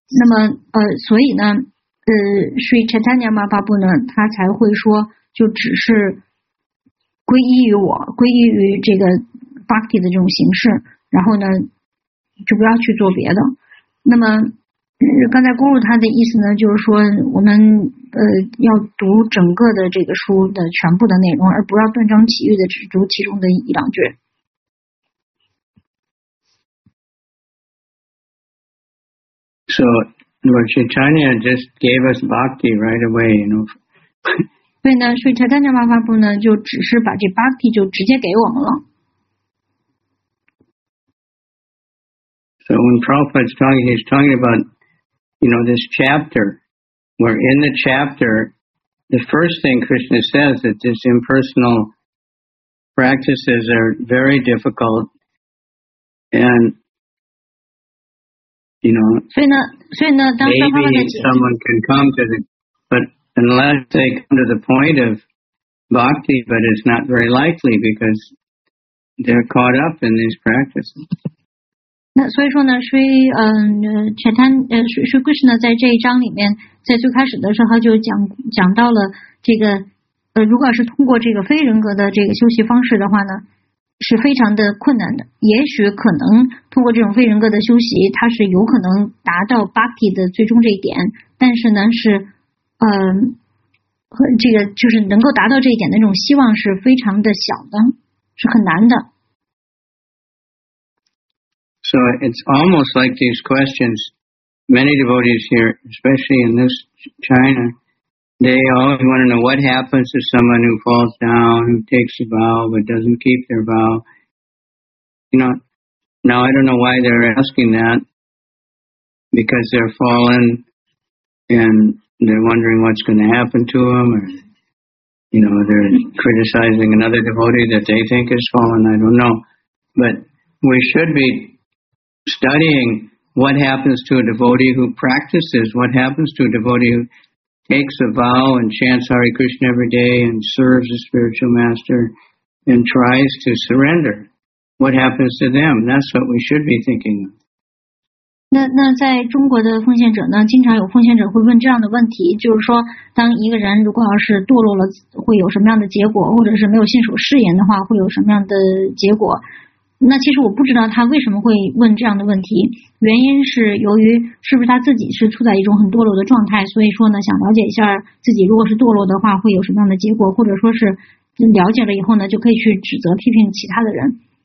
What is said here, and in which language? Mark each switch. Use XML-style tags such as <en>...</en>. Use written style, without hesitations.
<zh>那么所以呢Sri Chaitanya Mahaprabhu 呢他才会说就只是皈依于我，皈依于这个 Bhakti 的这种形式，然后呢就不要去做别的。那么刚才Guru他的意思呢就是说我们要读整个的这个书的全部的内容，而不要断章取义的只读其中的一两句。</zh> <en>So, Lord Chaitanya just gave us bhakti right away, you know.</en> <zh>对呢，所以Chaitanya Mahaprabhu呢就只是把这bhakti就直接给我们了。</zh> <en>So when Prabhupada's talking, he's talking aboutYou know, this chapter, where in the chapter, the first thing Krishna says that these impersonal practices are very difficult. And, you know, maybe someone can come to but unless they come to the point of bhakti, but it's not very likely because they're caught up in these practices.</en> <zh>那所以说呢，Sri Krishna 在这一章里面，在最开始的时候就讲到了这个，如果是通过这个非人格的这个修习方式的话呢，是非常的困难的。也许可能通过这种非人格的修习，它是有可能达到 Bhakti 的最终这一点，但是呢是，这个就是能够达到这一点的那种希望是非常的小的，是很难的。</zh> <en>So it's almost like these questions, many devotees here, especially in this China, they always want to know what happens to someone who falls down, who takes a vow, but doesn't keep their vow. You know, now I don't know why they're asking that, because they're fallen and they're wondering what's going to happen to them, or, you know, they're criticizing another devotee that they think has fallen, I don't know. But we should be... studying what happens to a devotee who practices, what happens to a devotee who makes a vow and chants Hare Krishna every day and serves the spiritual master and tries to surrender, what happens to them? That's what we should be thinking of.</en> <zh>那在中国的奉献者呢，经常有奉献者会问这样的问题，就是说，当一个人如果要是堕落了，会有什么样的结果，或者是没有信守誓言的话，会有什么样的结果？那其实我不知道他为什么会问这样的问题，原因是由于是不是他自己是处在一种很堕落的状态，所以说呢，想了解一下自己如果是堕落的话，会有什么样的结果，或者说是了解了以后呢，就可以去指责批评其他的人。</zh>